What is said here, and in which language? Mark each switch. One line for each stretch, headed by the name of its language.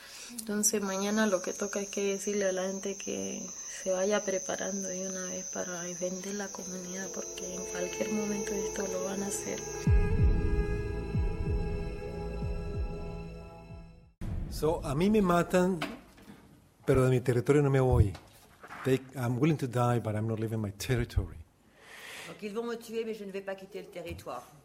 Spanish: Entonces mañana lo que toca es que decirle a la gente que se vaya preparando de una vez para defender la comunidad, porque en cualquier momento esto lo van a hacer. So, a mí me matan, pero de mi territorio no me voy.
English: I'm willing to die, but I'm not leaving my territory.
French: Donc ils vont me tuer, mais je ne vais pas quitter le territoire.